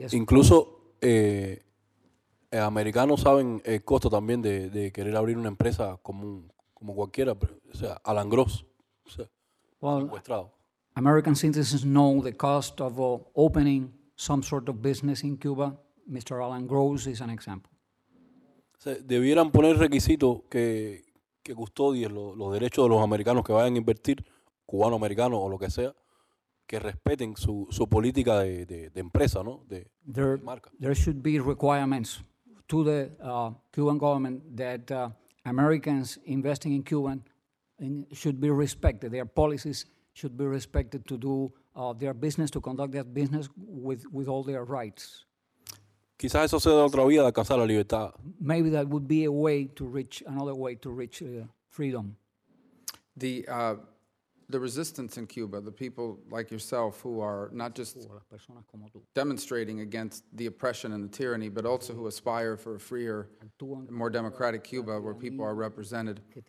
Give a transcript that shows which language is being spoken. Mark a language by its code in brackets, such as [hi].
[es] Incluso americanos saben el costo también de querer abrir una empresa como cualquiera, o sea, Alan Gross. [en] Well, American citizens know the cost of opening some sort of business in Cuba. Mr. Alan Gross is an example. [es] Se debieran poner requisitos que custodien los derechos de los americanos que vayan a invertir, cubano-americanos o lo que sea, que respeten su política de empresa, ¿no? De marca. [en] There should be requirements to the Cuban government that Americans investing in Cuban and should be respected. Their policies should be respected to do their business, to conduct their business with all their rights. [es] Quizás eso sea otra vía de alcanzar la libertad. [en] Maybe that would be a way to reach another way to reach freedom. The resistance in Cuba, the people like yourself who are not just demonstrating against the oppression and the tyranny, but also who aspire for a freer, more democratic Cuba where people are represented.